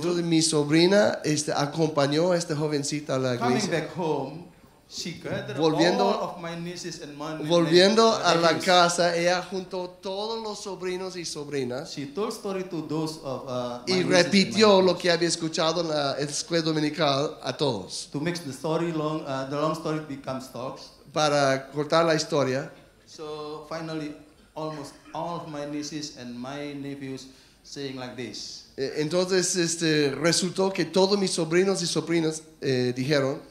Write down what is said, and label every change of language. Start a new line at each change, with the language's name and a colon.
Spanish: Entonces mi sobrina acompañó a esta jovencita a la iglesia.
English: Coming back home.
Spanish: volviendo,
English: of my nieces and my
Spanish: volviendo a la casa, ella juntó todos los sobrinos y sobrinas.
English: She told story to those of,
Spanish: y repitió lo que había escuchado en la escuela dominical a todos.
English: To make the story long, the long story becomes short.
Spanish: Para cortar la historia.
English: So finally, almost all of my nieces and my nephews saying like this.
Spanish: Entonces, este, resultó que todos mis sobrinos y sobrinas dijeron.